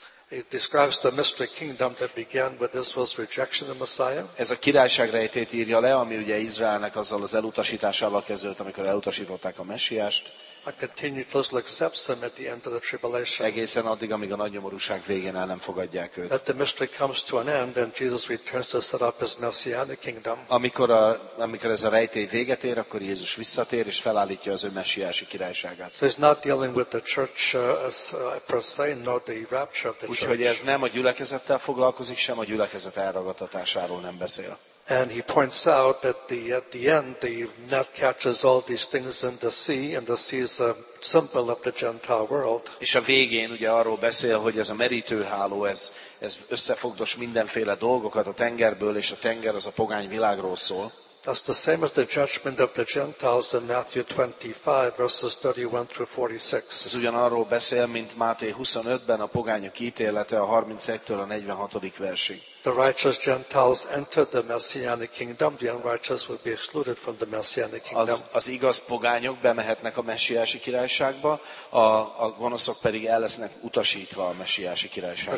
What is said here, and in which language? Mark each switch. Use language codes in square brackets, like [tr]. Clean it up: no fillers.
[en] It describes the mystery kingdom that began with Israel's rejection of the Messiah. [hu] Ez a királyság rejtét írja le, ami ugye Izraelnek azzal az elutasításával kezdődött, amikor elutasították a Messiást. [en] A continued Israel accepts him at the end of the tribulation. [hu] Egészen addig, amíg a nagy nyomorúság végén el nem fogadják őt. [en] That the mystery comes to an end, and Jesus returns to set up his messianic kingdom. [hu] Amikor ez a rejtély véget ér, akkor Jézus visszatér és felállítja az ő messiási királyságát. [en] So he's not dealing with the church as per se, nor the rapture of the church. [hu] Úgyhogy ez nem a gyülekezettel foglalkozik, sem a gyülekezet elragadtatásáról nem beszél. [en] And he points out that at the end the net catches all these things in the sea, and the sea is a symbol of the Gentile world. [hu] És a végén ugye arról beszél, hogy ez a merítőháló, ez összefogdos mindenféle dolgokat a tengerből, és a tenger az a pogány világról szól. [en] That's the same as the judgment of the Gentiles in Matthew 25, verses 31 through 46. [hu] Ez ugyanarról beszél, mint Máté 25-ben a pogányok ítélete a 31-től a 46. versig. [en] The righteous Gentiles entered the Messianic kingdom. The unrighteous will be excluded from the Messianic kingdom. [hu] Az igaz pogányok bemehetnek a messiási királyságba, a gonoszok pedig el lesznek utasítva a messiási királyságba.